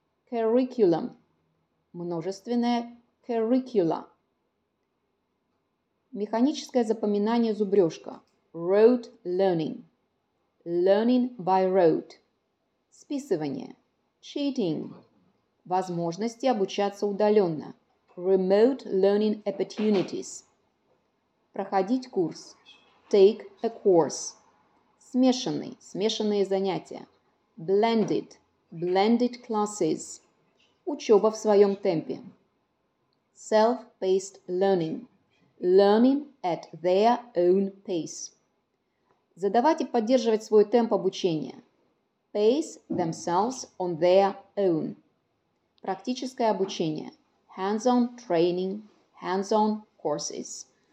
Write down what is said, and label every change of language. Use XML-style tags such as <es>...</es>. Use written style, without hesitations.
<en>Curriculum. Множественное. Curricula.</en> <ru>Механическое запоминание, зубрежка.</ru> <en>Rote learning. Learning by rote. Списывание. Cheating.</en> <ru>Возможности обучаться удаленно.</ru> <en>Remote learning opportunities.</en> <ru>Проходить курс.</ru> <en>Take a course. Смешанный.</en> <ru>Смешанные занятия.</ru> <en>Blended. Blended classes.</en> <ru>Учеба в своем темпе.</ru> <en>self-paced learning, learning at their own pace.</en> <ru>Задавать и поддерживать свой темп обучения.</ru> <en>Pace themselves on their own.</en> <ru>Практическое обучение.</ru> <en>Hands-on training, hands-on courses.</en>